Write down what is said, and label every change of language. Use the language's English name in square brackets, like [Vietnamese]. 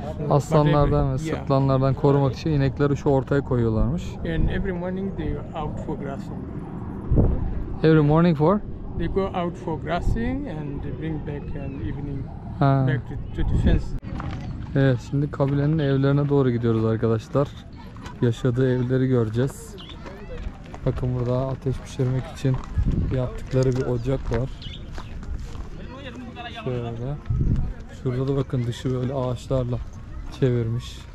[Turkish] Aslanlardan ve sırtlanlardan korumak için inekleri şu ortaya koyuyorlarmış. [English] And every morning they are out for grassing. Every morning for? They go out for grassing and they bring back an evening back to the fence. [Turkish] Evet, şimdi kabilenin evlerine doğru gidiyoruz arkadaşlar. Yaşadığı evleri göreceğiz. Bakın burada ateş pişirmek için yaptıkları bir ocak var. Şöyle. Şurada da bakın dışı böyle ağaçlarla çevirmiş.